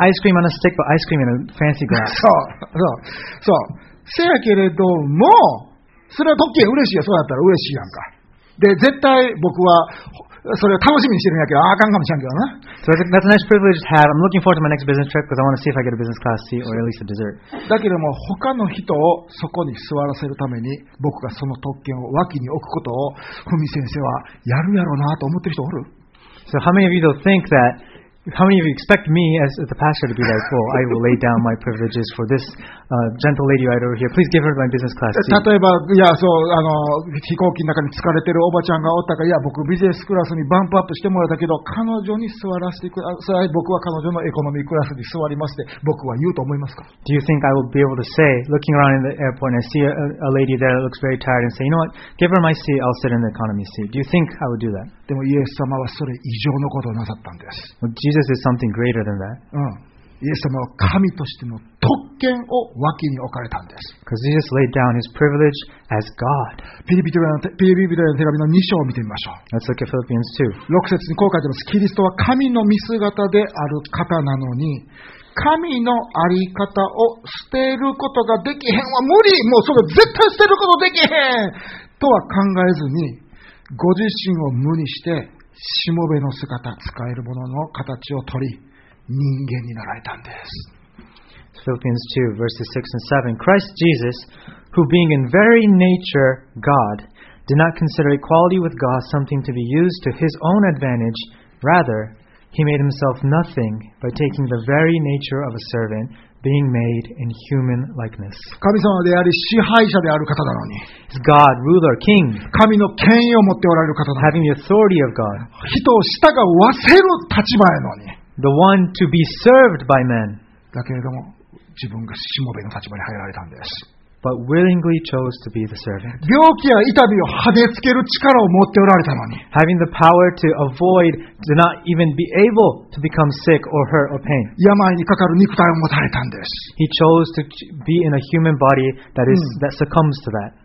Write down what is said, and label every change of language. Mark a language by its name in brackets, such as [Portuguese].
[English] ice cream on a stick, but ice cream in a fancy glass. [Japanese] そうそうそう。せやけれども、それは特権嬉しいよ。そうだったら嬉しいやんか。で、絶対僕は。それを楽しみにしてるんやけど、あかんかもしれんけどな。 [English] So that's a nice privilege to have. I'm looking forward to my next business trip because I want to see if I get a business class seat or at least a dessert. [Japanese] だけども他の人をそこに座らせるために僕がその特権を脇に置くことをふみ先生はやるやろうなと思ってる人おる？ [English] So how many of you think that? How many of you expect me as the pastor to be like, well, I will lay down my privileges for this gentle lady right over here. Please give her my business class seat. [Japanese] 例えば、いや、そう、あの、飛行機の中に疲れてるおばちゃんがおったか、いや、僕ビジネスクラスにバンプアップしてもらったけど、彼女に座らせてくださ、それは僕は彼女のエコノミークラスに座りまして、僕は言うと思いますか？ [English] Do you think I will be able to say, looking around in the airport and I see a lady there that looks very tired and say, you know what, give her my seat, I'll sit in the economy seat. Do you think I will do that? [Japanese] でもイエス様はそれ以上のことをなさったんです。 [English] Jesus is something greater than that. [Japanese] イエス様は神としての特権を脇に置かれたんです。 [English] Because Jesus laid down his privilege as God. [Japanese] ピリピ人への手紙の2章を見てみましょう。 [English] Let's look at Philippians 2. [Japanese] 6節にこう書いてます。キリストは神の見姿である方なのに、神のあり方を捨てることができへんは無理。もうそれ絶対捨てることできへんとは考えずに、ご自身を無にして、しもべの姿、使えるものの形を取り、人間になられたんです。 [English] Philippians 2, verses 6 and 7. Christ Jesus, who being in very nature God, did not consider equality with God something to be used to his own advantage. Rather, he made himself nothing by taking the very nature of a servant. Being made in human likeness. [Japanese] 神様であり支配者である方なのに。 [English] God, ruler, king. [Japanese] 神の権威を持っておられる方なのに。 [English] Having the authority of God. [Japanese] 人を従わせる立場なのに。 [English] The one to be served by men. [Japanese] だけれども自分がしもべの立場に入られたんです。 [English] But willingly chose to be the servant. [Japanese] 病気や痛みをはねつける力を持っておられたのに。 [English] Having the power to avoid, to not even be able to become sick or hurt or pain. [Japanese] 病にかかる肉体を持たれたんです。 [English] He chose to be in a human body that is, that succumbs to that.